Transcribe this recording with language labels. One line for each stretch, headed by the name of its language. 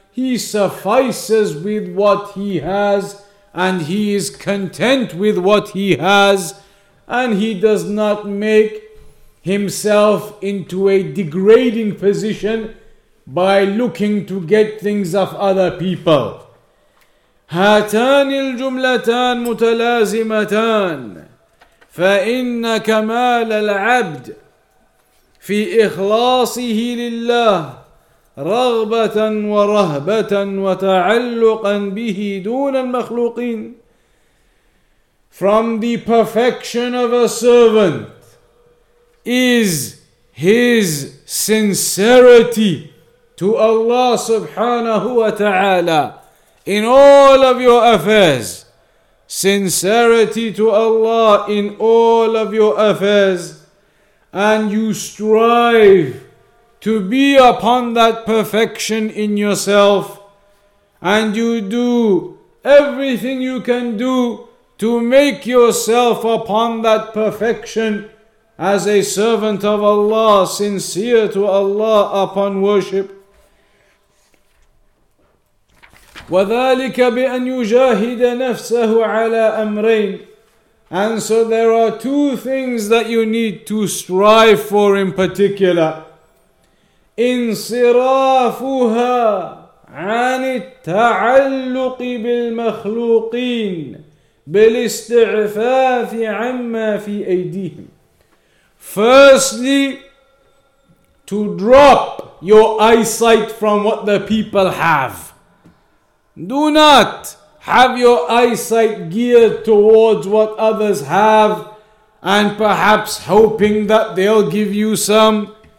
English: He suffices with what he has and he is content with what he has, and he does not make himself into a degrading position by looking to get things of other people.
Arabic: هاتان الجملتان متلازمتان فإن كمال العبد في إخلاصه لله رغبة ورهبة وتعلقا به دون المخلوقين.
English: From the perfection of a servant is his sincerity to Allah
Arabic: سبحانه وتعالى.
English: In all of your affairs, sincerity to Allah in all of your affairs, and you strive to be upon that perfection in yourself, and you do everything you can do to make yourself upon that perfection as a servant of Allah, sincere to Allah upon worship.
Arabic: وذلك بأن يجاهد نفسه على أمرين.
English: And so there are two things that you need to strive for in particular.
Arabic: انصرافها عن التعلق بالمخلوقين بالاستعفاف عما في أيديهم.
English: Firstly, to drop your eyesight from what the people have. Do not have your eyesight geared towards what others have and perhaps hoping that they'll give you some.